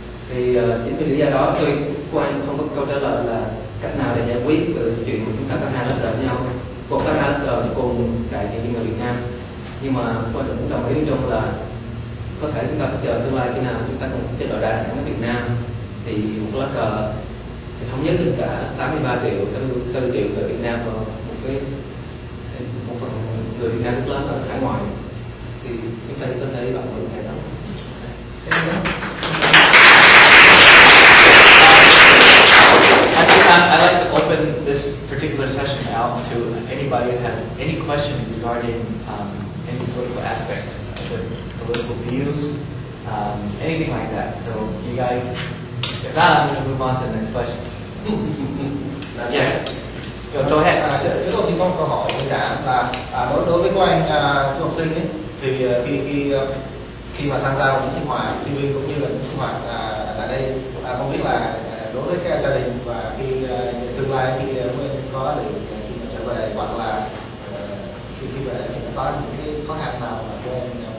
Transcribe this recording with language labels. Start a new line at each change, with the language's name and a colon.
Vietnamese: thì chính vì lý do đó tuy của anh không có câu trả lời là cách nào để giải quyết về chuyện của chúng ta có hai lá cờ với nhau có hai lá cờ cùng đại diện người Việt Nam nhưng mà qua cũng đồng ý trong là có thể chúng ta phải chờ tương lai khi nào chúng ta cùng chế độ đại đảng ở Việt Nam thì một lá cờ sẽ thống nhất được cả 83 triệu người Việt Nam và một phần người Việt Nam lớn ở hải ngoại thì chúng ta có thể bằng được cái đó.
English: I'd like to open this particular session out to anybody who has any question regarding any political aspect. Political views, anything like that. So you guys, if not, I'm going to move on to the next question. Yes. Go ahead.
Vietnamese: Chúng tôi xin có một câu hỏi như cả là đối với các anh du học sinh ấy, thì khi mà tham gia vào những sinh hoạt sinh viên cũng như là những sinh hoạt tại đây, không biết là đối với các gia đình và khi tương lai khi các anh có được khi mà trở về hoặc là khi về thì có những cái khó khăn nào mà các anh